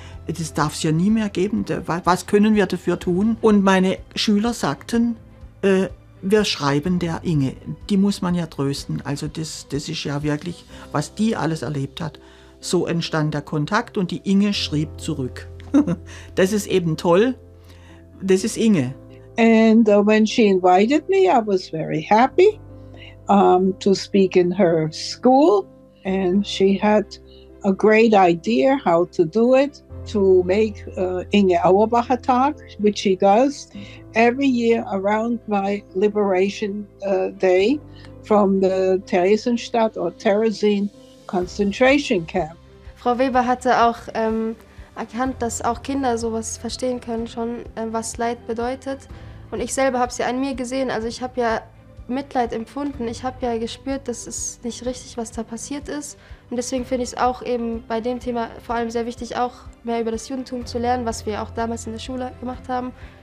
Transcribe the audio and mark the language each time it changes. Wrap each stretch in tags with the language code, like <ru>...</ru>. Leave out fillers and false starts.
<de>Das darf es ja nie mehr geben. Was können wir dafür tun? Und meine Schüler sagten, wir schreiben der Inge. Die muss man ja trösten. Also das ist ja wirklich, was die alles erlebt hat. So entstand der Kontakt und die Inge schrieb zurück. Das ist eben toll. Das ist Inge.</de> <en>And when she invited me, I was very happy to speak in her school. And she had a great idea how to do it, to make Inge Auerbacher Tag, which she does every year around my liberation day from the Theresienstadt or Theresien concentration camp.</en> <de>Frau Weber hatte auch erkannt, dass auch Kinder sowas verstehen können schon, was Leid bedeutet. Und ich selber habe sie an mir gesehen, also ich habe ja Mitleid empfunden. Ich habe ja gespürt, dass es nicht richtig, was da passiert ist. Und deswegen finde ich es auch eben bei dem Thema vor allem sehr wichtig, auch mehr über das Judentum zu lernen, was wir auch damals in der Schule gemacht haben.</de>